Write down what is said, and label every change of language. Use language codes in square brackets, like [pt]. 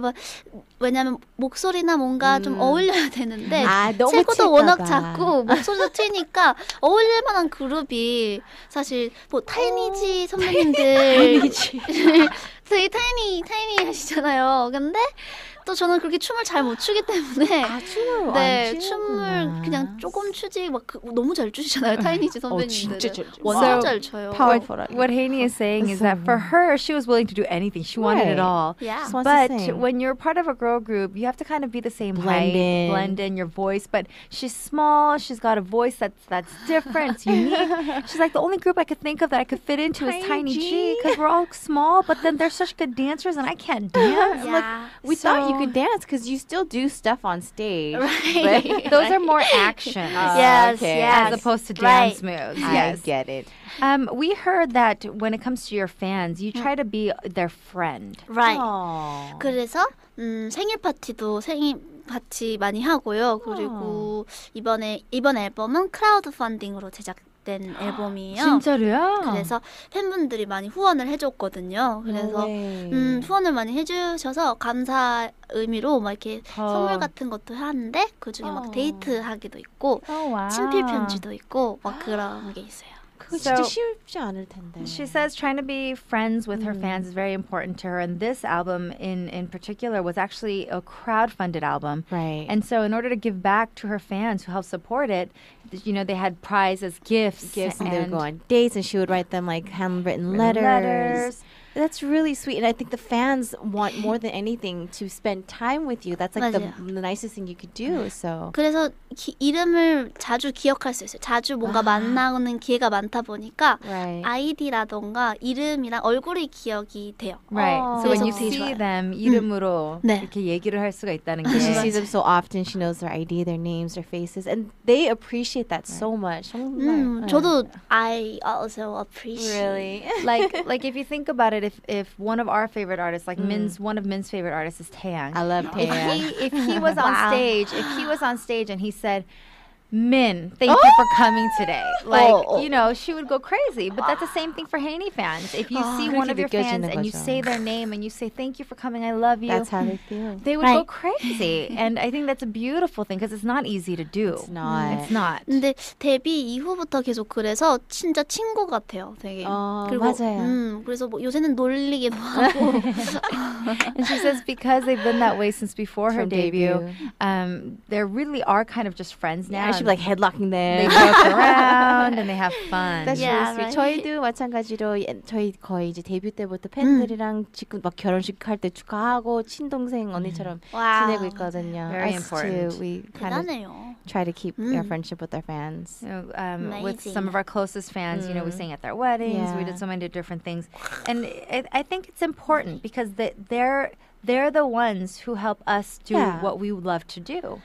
[ko] But, 왜냐면 목소리나 뭔가 좀 어울려야 되는데 체구도 워낙 작고 목소리도 트니까 어울릴만한 그룹이 사실 뭐 타이니지 선배님들 타이니지 저희 타이니 하시잖아요. 근데 또 저는 그렇게 춤을 잘 못 추기 때문에 춤을 그냥 조금 추지 막 너무 잘 추시잖아요 타이니지 선배님들은 진짜 잘 쳐요. [en] Powerful. What Haney is saying is that for her, she was willing to do anything. She wanted it all. Yeah. But when you're part of a girl group, you have to kind of be the same blend in. Blend in your voice. But she's small. She's got a voice that's different. It's unique. She's like the only group I could think of that I could fit into is Tiny G because we're all small. But then they're such good dancers, and I can't dance. Yeah. We thought. You could dance because you still do stuff on stage. Right. Those are more action. As opposed to dance moves. Yes. I get it. We heard that when it comes to your fans, you try to be their friend. Right. Aww. [ko] 그래서 생일 파티도 생일 파티 많이 하고요. 그리고 이번 앨범은 크라우드 펀딩으로 제작된 앨범이에요. 진짜로요? 그래서 팬분들이 많이 후원을 해줬거든요. 그래서 후원을 많이 해주셔서 감사 의미로 막 이렇게 선물 같은 것도 하는데 그 중에 막 데이트 하기도 있고 친필 편지도 있고 막 그런 게 있어요. [en] She says trying to be friends with her fans is very important to her. And this album in particular was actually a crowdfunded album. Right. And so in order to give back to her fans who helped support it, you know, they had prizes, gifts and they would go on dates and she would write them like handwritten letters. That's really sweet. And I think the fans want more than anything to spend time with you. That's like the nicest thing you could do. So. [ko] 그래서 이름을 자주 기억할 수 있어요. 자주 뭔가 만나는 기회가 많다 보니까 아이디라던가 이름이랑 얼굴이 기억이 돼요. [en] Right. So when you see them [ko] 이름으로 이렇게 얘기를 할 수가 있다는 게. [en] She sees them so often. She knows their ID, their names, their faces. And they appreciate that so much. 저도 I also appreciate. Really? Like if you think about it, if one of our favorite artists, like one of Min's favorite artists is Taeyang. I love Taeyang. If he was on stage and he said, Min, thank you for coming today. You know, she would go crazy. But that's the same thing for Haney fans. If you see one of your fans and you say their name and you say, thank you for coming, I love you. That's how they feel. They would go crazy. And I think that's a beautiful thing because it's not easy to do. It's not. [ko] 근데 데뷔 이후부터 계속 그래서 진짜 친구 같아요, 되게. 그리고, 맞아요. 그래서 뭐 요새는 놀리기도 하고. [en] And she says because they've been that way since before her debut, they really are kind of just friends now. She'd be like headlocking them. They walk around and they have fun. That's really sweet. [ko] 저희도 마찬가지로 저희 거의 이제 데뷔 때부터 팬들이랑 지금 막 결혼식 할 때 축하하고 친동생 언니처럼 지내고 있거든요. [en] Very important. Too. We kind of try to keep our friendship with our fans. With some of our closest fans, you know, we sang at their weddings. Yeah. We did so many different things. And I think it's important because they're the ones who help us do what we love to do.